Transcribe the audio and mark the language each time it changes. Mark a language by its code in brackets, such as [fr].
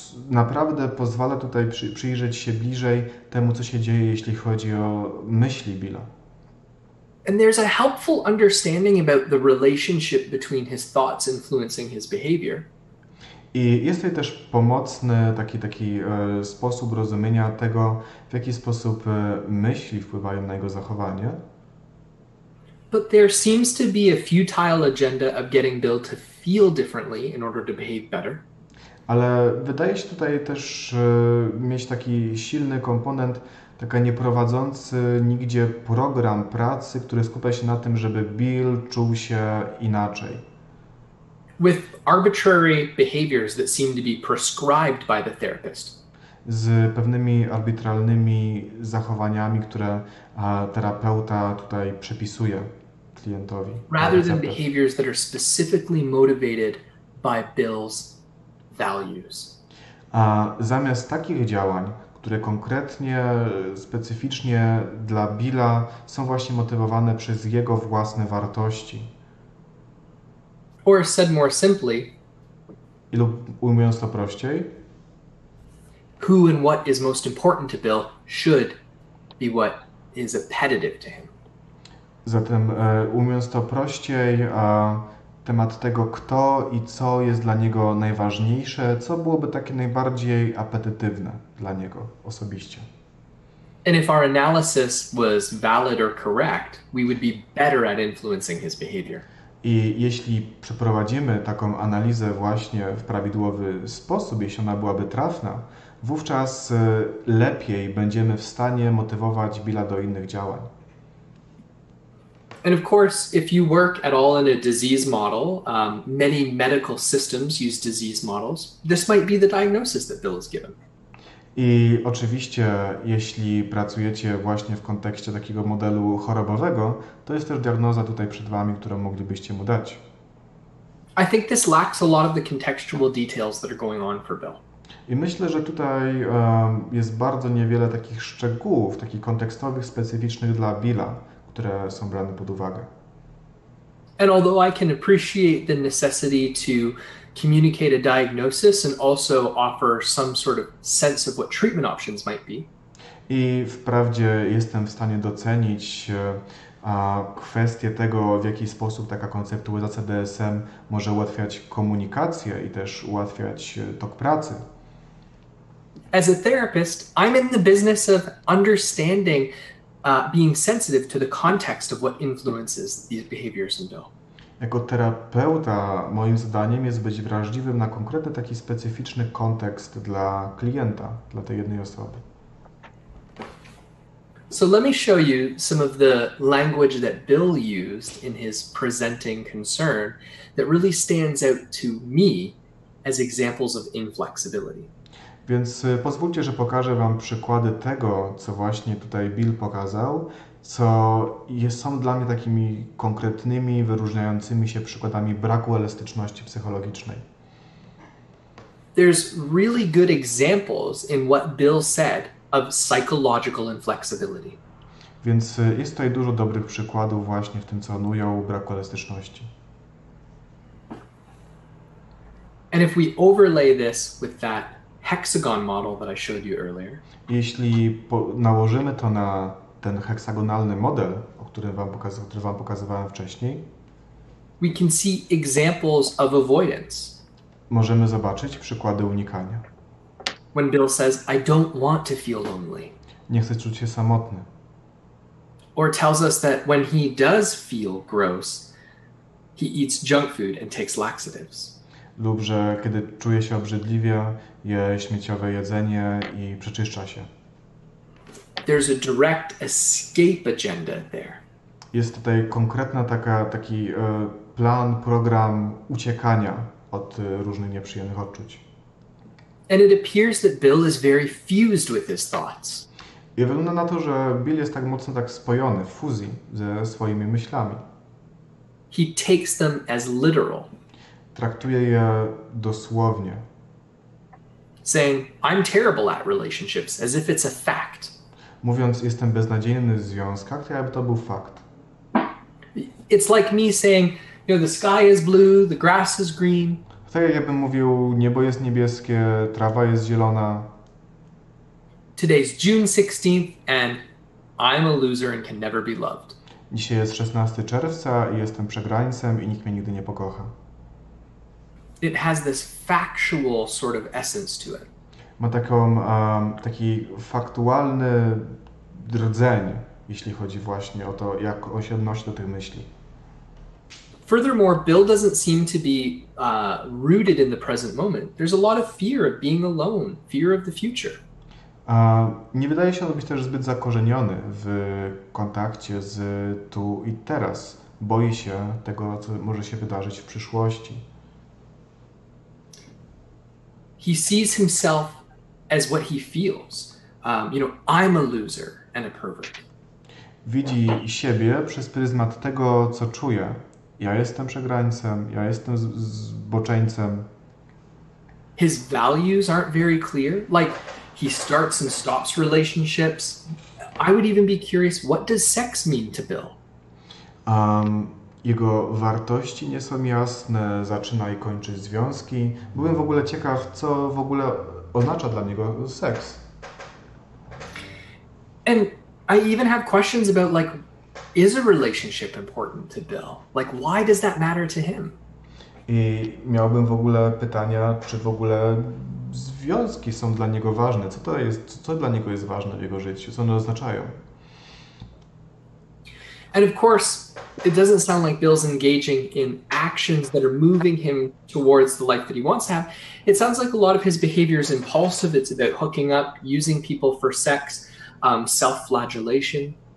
[pl] Naprawdę pozwala tutaj przyjrzeć się bliżej temu, co się dzieje, jeśli chodzi o myśli Billa. [en] And there's a helpful understanding about the relationship between his thoughts influencing his behavior. [pl] I jest tutaj też pomocny taki sposób rozumienia tego, w jaki sposób myśli wpływają na jego zachowanie. [en] But there seems to be a futile agenda of getting Bill to feel differently in order to behave better. [pl] Ale wydaje się tutaj też mieć taki silny komponent, taka nieprowadzący nigdzie program pracy, który skupia się na tym, żeby Bill czuł się inaczej. [en] With arbitrary behaviors that seem to be prescribed by the therapist. [pl] Z pewnymi arbitralnymi zachowaniami, które terapeuta tutaj przepisuje klientowi. [en] Rather than behaviors that are specifically motivated by Bill's values. [pl] A zamiast takich działań, które konkretnie, specyficznie dla Billa są właśnie motywowane przez jego własne wartości. [en] Or said more simply, [pl] i lub ujmując to prościej, [en] who and what is most important to Bill should be what is appetitive to him. [pl] Zatem ujmując to prościej, temat tego, kto i co jest dla niego najważniejsze, co byłoby takie najbardziej apetytywne dla niego osobiście. [en] And if our analysis was valid or correct, we would be better at influencing his behavior. [pl] I jeśli przeprowadzimy taką analizę właśnie w prawidłowy sposób, jeśli ona byłaby trafna, wówczas lepiej będziemy w stanie motywować Billa do innych działań. [en] And of course, if you work at all in a disease model, many medical systems use disease models. This might be the diagnosis that Bill is given. [pl] I oczywiście, jeśli pracujecie właśnie w kontekście takiego modelu chorobowego, to jest też diagnoza tutaj przed wami, którą moglibyście mu dać. [en] I think this lacks a lot of the contextual details that are going on for Bill. [pl] I myślę, że tutaj jest bardzo niewiele takich szczegółów, takich kontekstowych, specyficznych dla Billa, które są brane pod uwagę. [en] And although I can appreciate the necessity to communicate a diagnosis and also offer some sort of sense of what treatment options might be. [pl] I wprawdzie jestem w stanie docenić kwestię tego, w jaki sposób taka konceptualizacja DSM może ułatwiać komunikację i też ułatwiać tok pracy. [en] As a therapist, I'm in the business of understanding being sensitive to the context of what influences these behaviors in Bill. [pl] Jako terapeuta moim zadaniem jest być wrażliwym na konkretny taki specyficzny kontekst dla klienta, dla tej jednej osoby. [en] So let me show you some of the language that Bill used in his presenting concern that really stands out to me as examples of inflexibility. [pl] Więc pozwólcie, że pokażę wam przykłady tego, co właśnie tutaj Bill pokazał, co są dla mnie takimi konkretnymi, wyróżniającymi się przykładami braku elastyczności psychologicznej. [en] There's really good examples in what Bill said of psychological inflexibility. [pl] Więc jest tutaj dużo dobrych przykładów właśnie w tym, co on ujął, braku elastyczności. [en] And if we overlay this with that hexagon model that I showed you earlier. [pl] Jeśli nałożymy to na ten heksagonalny model, który wam pokazywałem wcześniej. [en] We can see examples of avoidance. [pl] Możemy zobaczyć przykłady unikania. [en] When Bill says, I don't want to feel lonely. [pl] Nie chcę czuć się samotny. [en] Or tells us that when he does feel gross, he eats junk food and takes laxatives. [pl] Lub, że kiedy czuje się obrzydliwie, je śmieciowe jedzenie i przeczyszcza się. [en] There's a direct escape agenda there. [pl] Jest tutaj konkretna taki plan, program uciekania od różnych nieprzyjemnych odczuć. [en] And it appears that Bill is very fused with his thoughts. [pl] I wygląda na to, że Bill jest tak mocno tak spojony, w fuzji ze swoimi myślami. [en] He takes them as literal. [pl] Traktuje je dosłownie. [en] Saying, I'm terrible at relationships, as if it's a fact. [pl] Mówiąc, jestem beznadziejny w związkach, to jakby to był fakt. [en] It's like me saying, you know, the sky is blue, the grass is green. [pl] Tak jakbym mówił, niebo jest niebieskie, trawa jest zielona. [en] Today's June 16th and I'm a loser and can never be loved. [pl] Dzisiaj jest 16 czerwca i jestem przegrańcem i nikt mnie nigdy nie pokocha. [en] It has this factual sort of essence to it. [pl] Ma taki faktualny rdzeń, jeśli chodzi właśnie o to, jak on się odnosi do tych myśli. [en] Furthermore, Bill doesn't seem to be rooted in the present moment. There's a lot of fear of being alone, fear of the future. [pl] Nie wydaje się on być też zbyt zakorzeniony w kontakcie z tu i teraz. Boi się tego, co może się wydarzyć w przyszłości. [en] He sees himself as what he feels. You know, I'm a loser and a pervert. [pl] Widzi siebie przez pryzmat tego, co czuje. Ja jestem przegrańcem, ja jestem zboczeńcem. [en] His values aren't very clear. Like, he starts and stops relationships. I would even be curious, what does sex mean to Bill? [pl] Jego wartości nie są jasne, zaczyna i kończy związki. Byłem w ogóle ciekaw, co w ogóle oznacza dla niego seks. [en] And I even have questions about, like, is a relationship important to Bill? Like, why does that matter to him? [pl] I miałbym w ogóle pytania, czy w ogóle związki są dla niego ważne. Co to jest, co dla niego jest ważne w jego życiu? Co one oznaczają? [en] And of course, it doesn't sound like Bill's engaging in actions that are moving him towards the life that he wants to have. It sounds like a lot of his behavior is impulsive. It's about hooking up, using people for sex, self-flagellation.